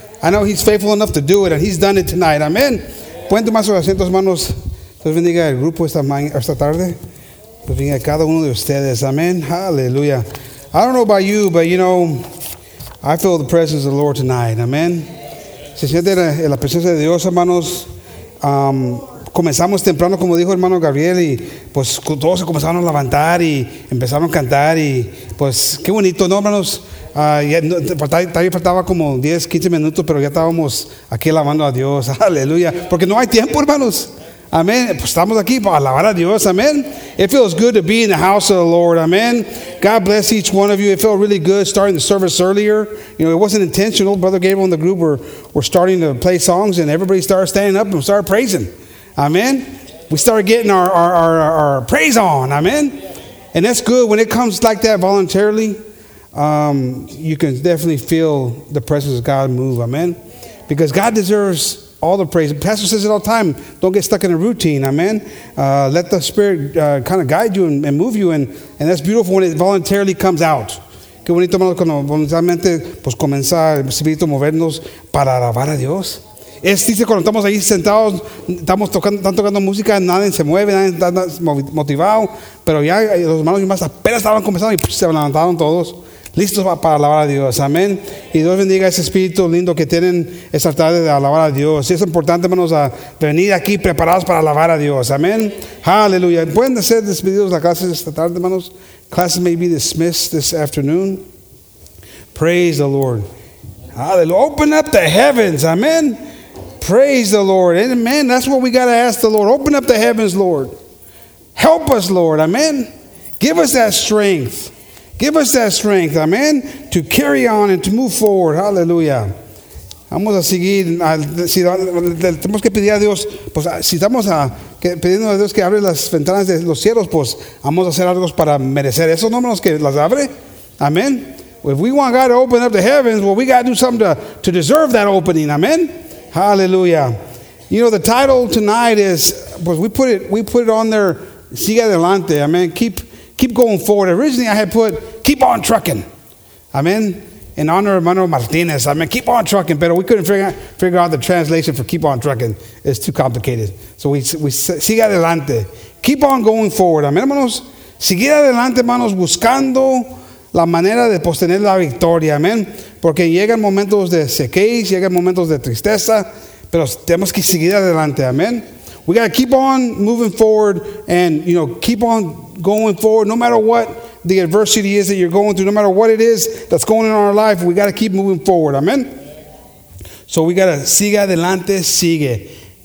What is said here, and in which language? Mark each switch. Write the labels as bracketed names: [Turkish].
[English] I know he's faithful enough to do it, and he's done it tonight. [Spanish] Amen. Pueden tomar sus asientos, hermanos. Dios bendiga el grupo esta tarde. Dios bendiga cada uno de ustedes. Amen. Hallelujah. [English] I don't know about you, but you know, I feel the presence of the Lord tonight. [Spanish] Amen. Se siente la presencia de Dios, hermanos. Comenzamos temprano, como dijo hermano Gabriel, y pues todos se comenzaron a levantar y empezaron a cantar. Y pues qué bonito, ¿no, hermanos? Todavía faltaba como 10, 15 minutos, pero ya estábamos aquí alabando a Dios. Aleluya. Porque no hay tiempo, hermanos. Amen. Pues estamos aquí para alabar a Dios. Amen. [English] It feels good to be in the house of the Lord. Amen. God bless each one of you. It felt really good starting the service earlier. You know, it wasn't intentional. Brother Gabriel and the group were starting to play songs, and everybody started standing up and started praising. Amen. We started getting our praise on. Amen. And that's good. When it comes like that voluntarily, you can definitely feel the presence of God move. Amen. Because God deserves all the praise. The pastor says it all the time. Don't get stuck in a routine. Amen. Let the Spirit kind of guide you and move you. And that's beautiful when it voluntarily comes out. [Spanish] Qué bonito, hermano, cuando voluntariamente pues comienza el Espíritu a movernos para alabar a Dios. Es dice cuando estamos ahí sentados, estamos tocando, están tocando música, nadie se mueve, nadie está motivado. Pero ya los hermanos y más apenas estaban comenzando y se levantaron todos. Listos para alabar a Dios. Amén. Y Dios bendiga ese espíritu lindo que tienen esta tarde de alabar a Dios. Y es importante, hermanos, a venir aquí preparados para alabar a Dios. Amén. Aleluya. ¿Pueden ser despedidos la clase esta tarde, hermanos? [English] Classes may be dismissed this afternoon. Praise the Lord. Aleluya. Open up the heavens. Amén. Praise the Lord. Amen. That's what we got to ask the Lord. Open up the heavens, Lord. Help us, Lord. Amen. Give us that strength. Give us that strength, amen, to carry on and to move forward. [Spanish] Hallelujah. Vamos a seguir. Si tenemos que pedir a Dios, pues si estamos pidiendo a Dios que abre las ventanas de los cielos, pues vamos a hacer algo para merecer esos nombres que las abre. Amen. [English] If we want God to open up the heavens, well, we got to do something to deserve that opening. Amen. Hallelujah. You know, the title tonight is, pues we put it on there, [Spanish] sigue adelante. [English] Amen. Keep going forward. Originally, I had put, keep on trucking. Amen. In honor of Manuel Martinez. Amen. Keep on trucking. But we couldn't figure out the translation for keep on trucking. It's too complicated. So we [Spanish] sigue adelante. [English] Keep on going forward. [Spanish] Amen, hermanos. Sigue adelante, hermanos, buscando la manera de postener la victoria. Amen. Porque llegan momentos de sequez, llegan momentos de tristeza. Pero tenemos que seguir adelante. Amen. [English] We got to keep on moving forward and, you know, keep on going forward, no matter what the adversity is that you're going through, no matter what it is that's going on in our life, we got to keep moving forward. Amen. So we got to [Spanish] sigue adelante, sigue.